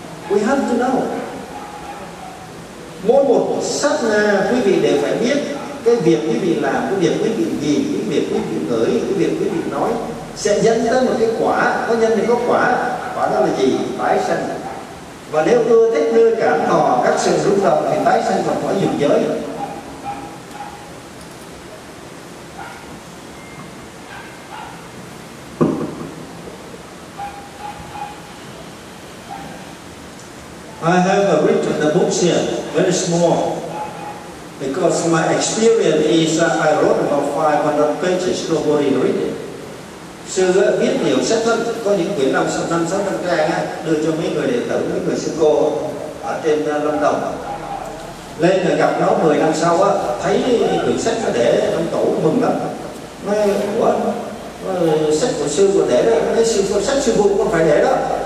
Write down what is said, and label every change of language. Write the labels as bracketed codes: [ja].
[en] We have to know. [vi] Mỗi một sát na quý vị đều phải biết cái việc quý vị làm, cái việc quý vị nhìn, cái việc quý vị ngửi, cái việc quý vị nói sẽ dẫn tới một cái quả. Có nhân thì có quả. Quả đó là gì? Tái sanh. Và nếu ưa thích nơi cảm thọ các sự rung động thì tái sanh vào cõi dục giới. [en] I have written the books here, very small. Because my experience is that I wrote about 500 pages, nobody read it. [vi] Sư viết nhiều sách lắm, có những quyển 500-600 trang đưa cho mấy người đệ tử, mấy người sư cô ở trên Lâm Đồng. Lên rồi gặp nó 10 năm sau á, thấy quyển sách nó để trong tủ mừng lắm. Nói, ủa, sách của sư còn để đó, cái sư, sách sư phụ cũng phải để đó.